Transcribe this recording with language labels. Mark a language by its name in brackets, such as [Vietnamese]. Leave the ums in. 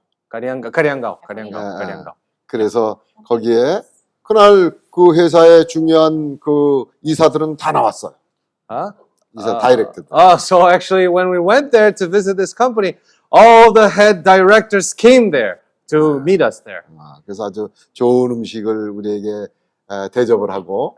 [Korean] 가리안가 가리안가오 가리안가오 네. 가리안가오 그래서 거기에 그날 그 회사의 중요한 그 이사들은 다 나왔어요. 아 이사 아, 다이렉트. [English] 아, so actually when we went there to visit this company, all the head directors came there to 네. meet us there. [Korean] 아, 그래서 아주 좋은 음식을 우리에게 에, 대접을 하고.